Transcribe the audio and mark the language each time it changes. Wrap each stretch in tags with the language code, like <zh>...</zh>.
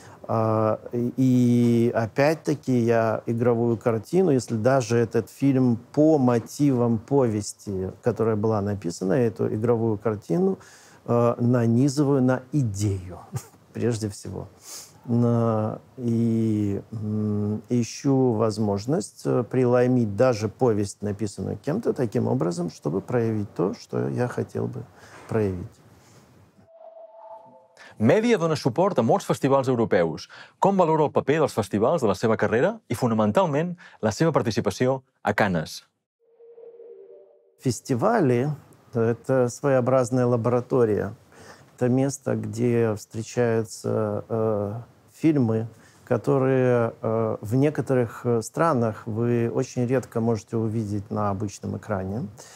<ru>И опять-таки я игровую картину, если даже этот фильм по мотивам повести, которая была написана, я эту игровую картину нанизываю на идею, прежде всего. И ищу возможность преломить даже повесть, написанную кем-то, таким образом, чтобы проявить то, что я хотел бы проявить.</ru> <ca>Media dona suport a molts festivals europeus. Com valora el paper dels festivals de la seva carrera i, fonamentalment, la seva participació a Cannes?</ca> <ru>Фестивали — это своеобразная лаборатория. Это место, где встречаются фильмы, которые в некоторых странах вы очень редко можете увидеть на обычном экране.</ru>